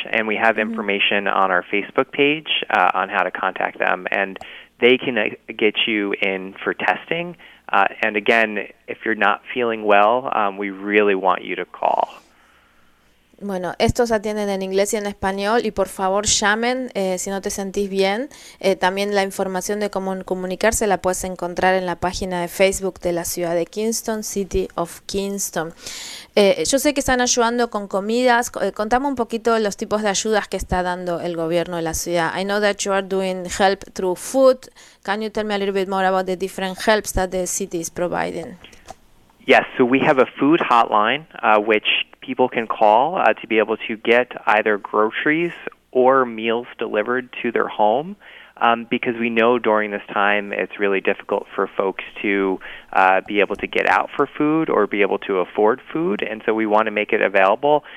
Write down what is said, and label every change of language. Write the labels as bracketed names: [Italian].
[English] And we have information on our Facebook page on how to contact them. And they can get you in for testing. And again, if you're not feeling well, we really want you to call. [Spanish] Bueno, estos atienden en inglés y en español y por favor llamen si no te sentís bien. También la información de cómo comunicarse la puedes encontrar en la página de Facebook de la ciudad de Kingston, City of Kingston. Yo sé que están ayudando con comidas. Contame un poquito los tipos de ayudas que está dando el gobierno de la ciudad. [English] I know that you are doing help through food. Can you tell me a little bit more about the different helps that the city is providing? Yes, so we have a food hotline, which people can call to be able to get either groceries or meals delivered to their home, because we know during this time it's really difficult for folks to be able to get out for food or be able to afford food, and so we want to make it available.